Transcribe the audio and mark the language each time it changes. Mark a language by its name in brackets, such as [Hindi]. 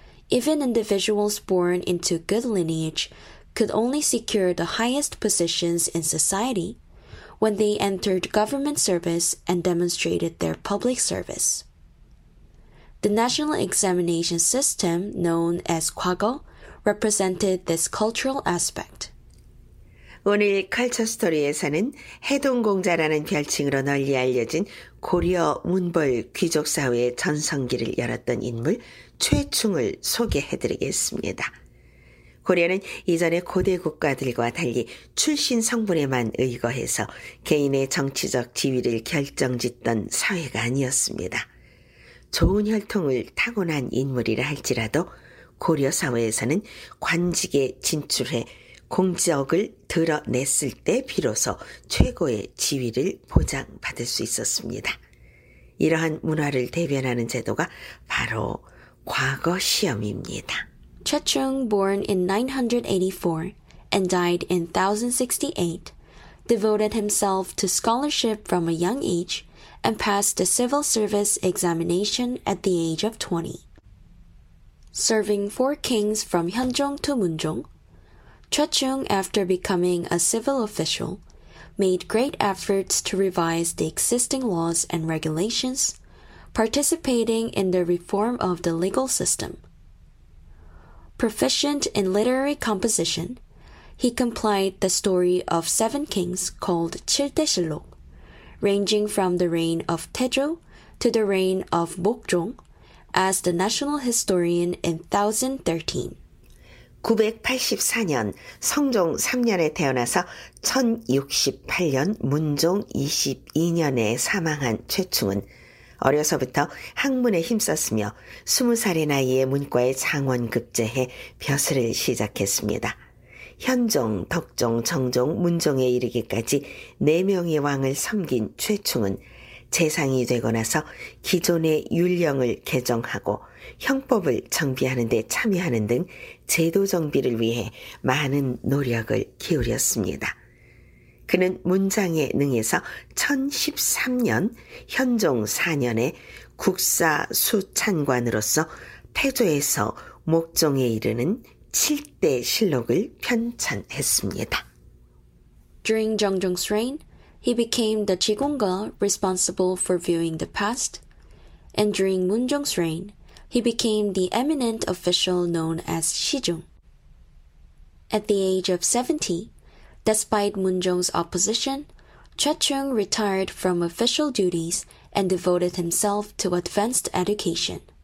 [English] Even individuals born into good lineage could only secure the highest positions in society when they entered government service and demonstrated their public service. The national examination system, known as 과거, represented this cultural aspect. [Korean] 오늘 컬처 스토리에서는 해동공자라는 별칭으로 널리 알려진 고려 문벌 귀족 사회의 전성기를 열었던 인물 최충을 소개해드리겠습니다. 고려는 이전의 고대 국가들과 달리 출신 성분에만 의거해서 개인의 정치적 지위를 결정짓던 사회가 아니었습니다. 좋은 혈통을 타고난 인물이라 할지라도 고려 사회에서는 관직에 진출해 공적을 드러냈을 때 비로소 최고의 지위를 보장받을 수 있었습니다. 이러한 문화를 대변하는 제도가 바로 과거 시험입니다. [English] Chechung, born in 984 and died in 1068, devoted himself to scholarship from a young age and passed the civil service examination at the age of 20. Serving four kings from Hyeonjong to Munjong, Chechung, after becoming a civil official, made great efforts to revise the existing laws and regulations, participating in the reform of the legal system. Proficient in literary composition, he compiled the story of seven kings called 칠대실록, ranging from the reign of Taejo to the reign of Mokjong, as the national historian in 1013. [Korean] 984년 성종 3년에 태어나서 1068년 문종 22년에 사망한 최충은 어려서부터 학문에 힘썼으며 20살의 나이에 문과에 장원 급제해 벼슬을 시작했습니다. 현종, 덕종, 정종, 문종에 이르기까지 4명의 왕을 섬긴 최충은 재상이 되고 나서 기존의 율령을 개정하고 형법을 정비하는 데 참여하는 등 제도 정비를 위해 많은 노력을 기울였습니다. 그는 문장에 능해서 1013년 현종 4년에 국사수찬관으로서 태조에서 목종에 이르는 칠대 실록을 편찬했습니다. [English] During Jeongjong's reign, he became the jigongga responsible for viewing the past, and during Munjong's reign, he became the eminent official known as Shijung. At the age of 70, despite Munjong's opposition, Chechung retired from official duties and devoted himself to advanced education.